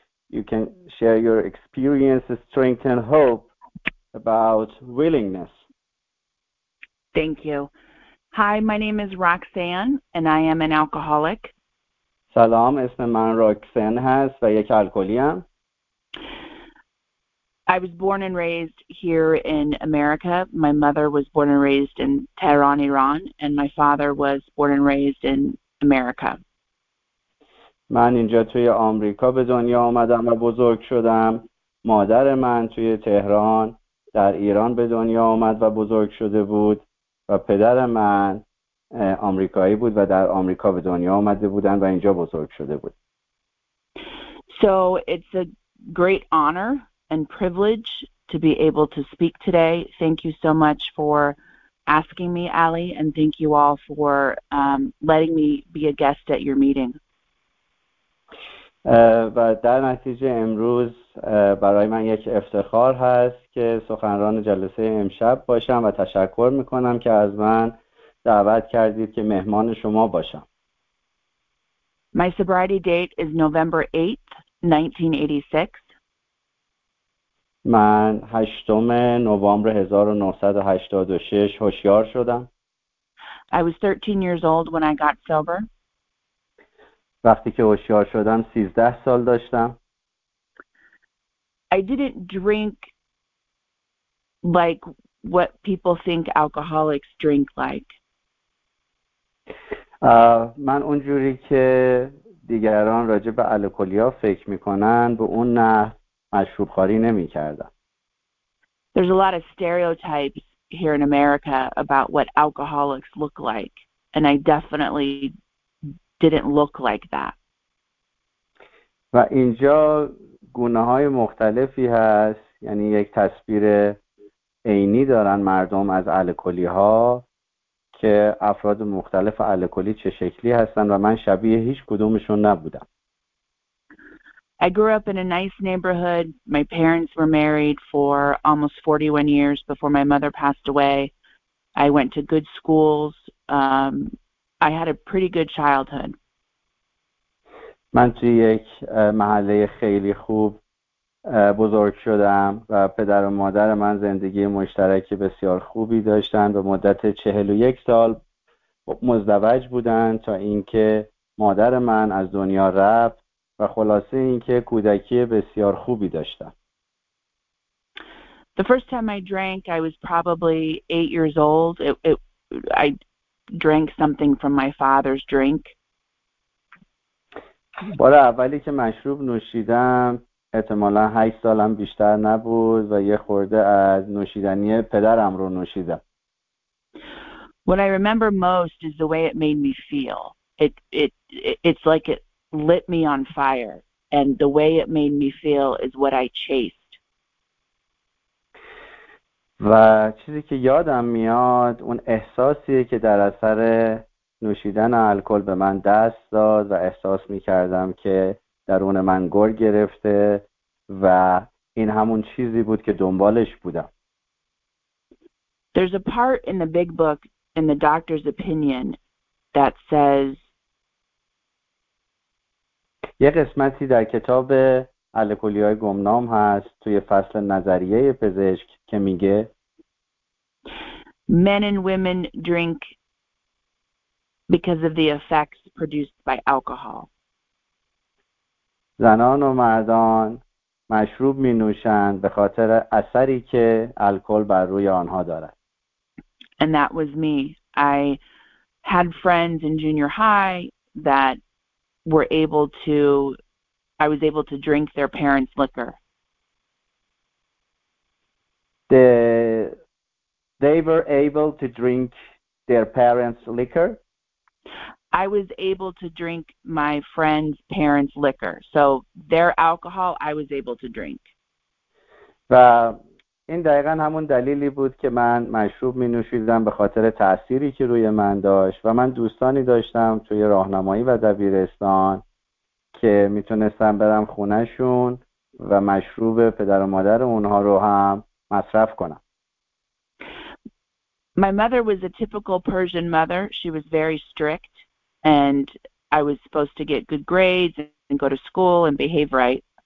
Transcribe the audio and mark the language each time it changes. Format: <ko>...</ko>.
<en>You can share your experience, strength and hope about willingness. Thank you. Hi, my name is Roxanne and I am an alcoholic.</en> <fa>سلام، اسم من راکسن هست و یک الکلی ام.</fa> <en>I was born and raised here in America. My mother was born and raised in Tehran, Iran, and my father was born and raised in America.</en> <fa>من اینجا توی آمریکا به دنیا آمدم و بزرگ شدم. مادر من توی تهران در ایران به دنیا آمد و بزرگ شده بود و پدر من آمریکایی بود و در آمریکا به دنیا آمده بودند و اینجا بزرگ شده بود.</fa> <en>So it's a great honor and privilege to be able to speak today. Thank you so much for asking me, Ali, and thank you all for letting me be a guest at your meeting.</en> <fa>و در نتیجه امروز برای من یک افتخار هست که سخنران جلسه امشب باشم و تشکر میکنم که از من دعوت کردید که مهمان شما باشم.</fa> <en>My sobriety date is November 8th, 1986.</en> <fa>من 8 نوامبر 1986 هوشیار شدم.</fa> <en>I was 13 years old when I got sober.</en> <fa>وقتی که هوشیار شدم 13 سال داشتم.</fa> <en>I didn't drink like what people think alcoholics drink like.</en> <fa>من اونجوری که دیگران راجع به الکلیا فکر میکنن به اون نه مشروب خوری نمیکردم.</fa> <en>There's a lot of stereotypes here in America about what alcoholics look like and I definitely didn't look like that.</en> <fa>و اینجا گونه های مختلفی هست، یعنی یک تصویر عینی دارن مردم از الکلی ها که افراد مختلف الکلی چه شکلی هستن و من شبیه هیچ کدومشون نبودم.</fa> <en>I grew up in a nice neighborhood. My parents were married for almost 41 years before my mother passed away. I went to good schools. I had a pretty good childhood.</en> <fa>من توی یک محله خیلی خوب بزرگ شدم و پدر و مادر من زندگی مشترک بسیار خوبی داشتند و مدت 41 سال مزدوج بودند تا اینکه مادر من از دنیا رفت و خلاصه اینکه کودکی بسیار خوبی داشتم.</fa> <en>The first time I drank I was probably 8 years old. I drank something from my father's drink.</en> <fa>بار اولی که مشروب نوشیدم احتمالاً 8 سالم بیشتر نبود و یه خورده از نوشیدنی پدرم رو نوشیدم.</fa> <en>What I remember most is the way it made me feel. It's like it lit me on fire and the way it made me feel is what I chased.</en> <fa>و چیزی که یادم میاد اون احساسیه که در اثر نوشیدن الکل به من دست داد و احساس می‌کردم که درون من گر گرفته و این همون چیزی بود که دنبالش بودم.</fa> <en>There's a part in the big book in the doctor's opinion that says</en> <fa>یه قسمتی در کتاب الکلی‌های گمنام هست توی فصل نظریه پزشک که میگه</fa> <en>Men and women drink because of the effects produced by alcohol.</en> <fa>زنان و مردان مشروب می نوشند به خاطر اثری که الکل بر روی آنها دارد.</fa> <en>And that was me. I had friends in junior high that were able to, I was able to drink their parents' liquor. They were able to drink their parents' liquor? I was able to drink my friend's parents' liquor. So their alcohol, I was able to drink.</en> <fa>و این دقیقا همون دلیلی بود که من مشروب می نوشیدم به خاطر تأثیری که روی من داشت و من دوستانی داشتم توی راهنمایی و دبیرستان که می تونستم برم خونه شون و مشروب پدر و مادر اونها رو هم مصرف کنم.</fa> <en>My mother was a typical Persian mother. She was very strict and I was supposed to get good grades and go to school and behave right.</en>